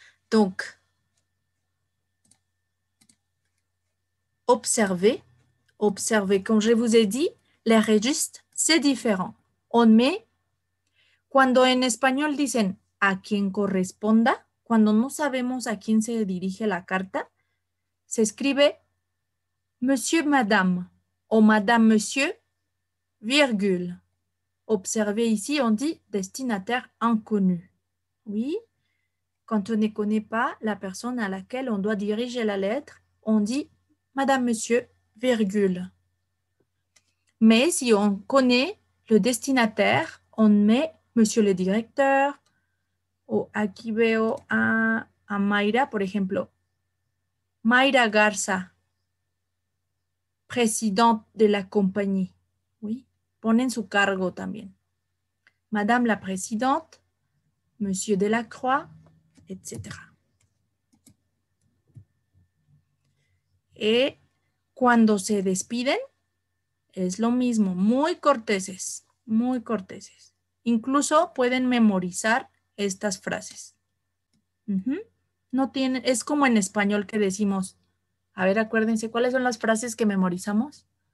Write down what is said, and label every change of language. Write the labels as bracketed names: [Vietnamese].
[French] Donc, observez, comme je vous ai dit, les registres, c'est différent. On met, [Spanish] cuando en español dicen a quien corresponda, cuando no sabemos a quién se dirige la carta, se escribe [French] monsieur, madame, o madame, monsieur, virgule. Observez ici, on dit destinataire inconnu. Oui, quand on ne connaît pas la personne à laquelle on doit diriger la lettre, on dit madame, monsieur, virgule. Mais si on connaît le destinataire, on met monsieur le directeur, ou [Spanish] aquí veo a Mayra, por ejemplo. [French] Mayra Garza, présidente de la compagnie. [Spanish] Oui, ponen su cargo también. [French] Madame la présidente, monsieur Delacroix, etc. [Spanish] Et cuando se despiden, es lo mismo, muy corteses, muy corteses. Incluso pueden memorizar estas frases. Uh-huh. No tiene, es como en español que decimos, a ver, acuérdense, ¿cuáles son las frases que memorizamos?